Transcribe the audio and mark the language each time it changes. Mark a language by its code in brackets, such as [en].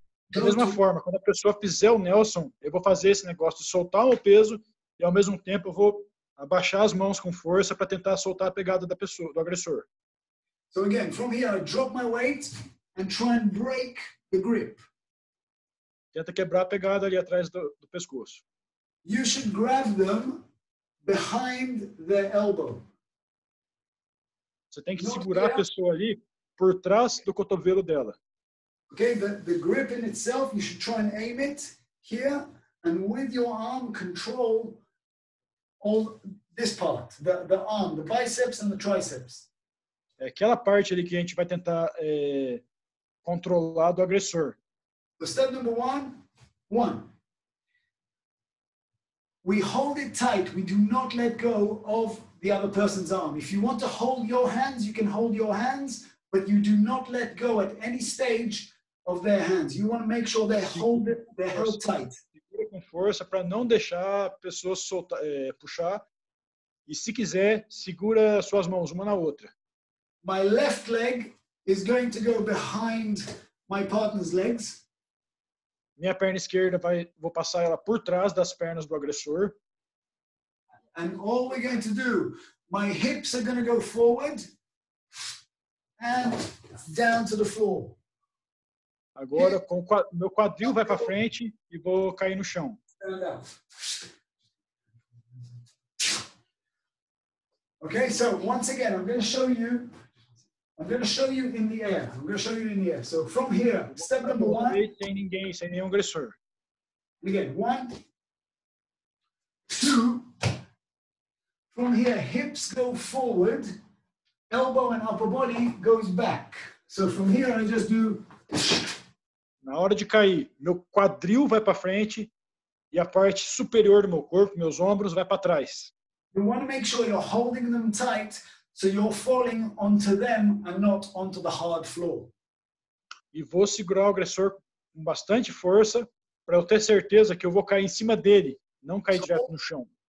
[pt] Da mesma forma, quando a pessoa fizer o Nelson, eu vou fazer esse negócio de soltar o peso e ao mesmo tempo eu vou abaixar as mãos com força para tentar soltar a pegada da pessoa, do agressor. [en] So again, from here, I drop my weight and try and break the grip. [pt] Tenta quebrar a pegada ali atrás do pescoço. [en] You should grab them behind the elbow. [pt] Você tem que segurar a pessoa ali por trás do cotovelo dela. [en] Okay, the grip in itself, you should try and aim it here and with your arm control all this part, the arm, the biceps and the triceps. [pt] É aquela parte ali que a gente vai tentar controlar do agressor. [en] So step number one. We hold it tight. We do not let go of the other person's arm. If you want to hold your hands, you can hold your hands, but you do not let go at any stage of their hands. You want to make sure they're held tight. [pt] Segura com força para não deixar a pessoa soltar, puxar. E se quiser, segura suas mãos uma na outra. [en] My left leg is going to go behind my partner's legs. [pt] Minha perna esquerda vou passar ela por trás das pernas do agressor. [en] And all we're going to do, my hips are going to go forward and down to the floor. [pt] Agora, meu quadril vai para frente e vou cair no chão. [en] Okay, so once again, I'm going to show you in the air. So from here, step number one. [pt] Sem ninguém, sem nenhum agressor. [en] Again, one, two. From here, hips go forward, elbow and upper body goes back. So from here, I just do. [pt] Na hora de cair, meu quadril vai para frente e a parte superior do meu corpo, meus ombros, vai para trás. [en] You want to make sure you're holding them tight so you're falling onto them and not onto the hard floor. [pt] E vou segurar o agressor com bastante força para eu ter certeza que eu vou cair em cima dele, não cair direto no chão.